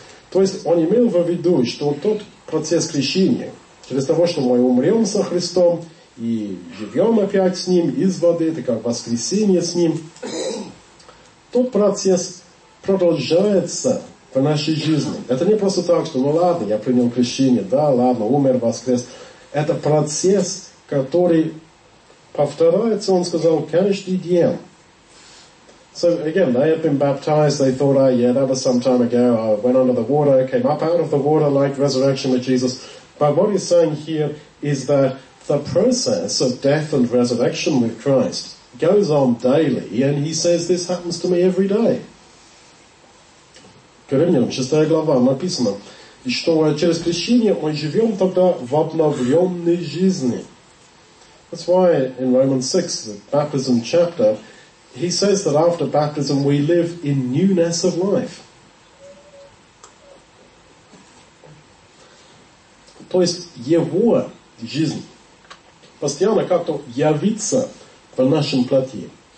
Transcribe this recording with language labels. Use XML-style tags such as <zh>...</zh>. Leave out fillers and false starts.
<ru>То есть он имел в виду, что тот процесс крещения, через того, что мы умрем со Христом и живем опять с Ним из воды, это как воскресение с Ним, тот процесс продолжается в нашей жизни. Это не просто так, что ну ладно, я принял крещение, да, ладно, умер, воскрес. Это процесс, который повторяется, он сказал, каждый день.</ru> <en>So again, they had been baptized, they thought, oh yeah, that was some time ago, I went under the water, came up out of the water like resurrection with Jesus. But what he's saying here is that the process of death and resurrection with Christ goes on daily, and he says this happens to me every day.</en> <ru>Коринфянам 6 глава написано, что через крещение мы живем тогда в обновленной жизни.</ru> <en>That's why in Romans 6, the baptism chapter, he says that after baptism we live in newness of life.</en> <ru>То есть его жизнь постоянно как-то явится в нашем плоти.</ru>